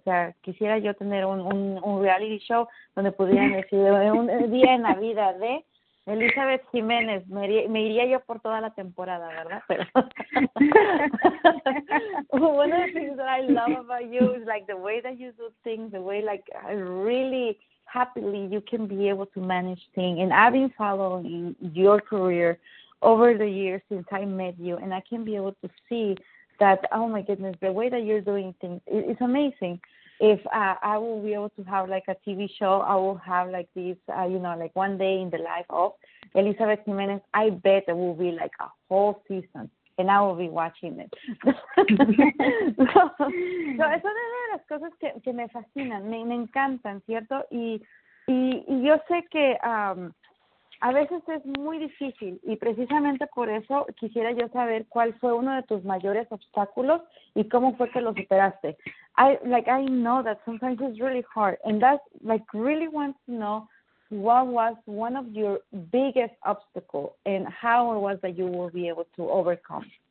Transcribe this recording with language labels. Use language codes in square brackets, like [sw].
[es] O sea, quisiera yo tener un reality show donde pudieran decir un día en la vida de Elizabeth Jiménez, me iría yo por toda la temporada, ¿verdad? Pero [en] one of the things that I love about you is like the way that you do things, the way like really happily you can be able to manage things. And I've been following your career over the years since I met you, and I can be able to see that, oh my goodness, the way that you're doing things, it's amazing. If I will be able to have like a TV show, I will have like this, like one day in the life of Elizabeth Jimenez, I bet there will be like a whole season and I will be watching it. So [es] es una de las cosas que me fascinan, me encantan, ¿cierto? Y yo sé que a veces es muy difícil y precisamente por eso quisiera yo saber cuál fue uno de tus mayores obstáculos y cómo fue que lo superaste. [en] I know that sometimes it's really hard, and that's like really want to know what was one of your biggest obstacles and how it was that you will be able to overcome.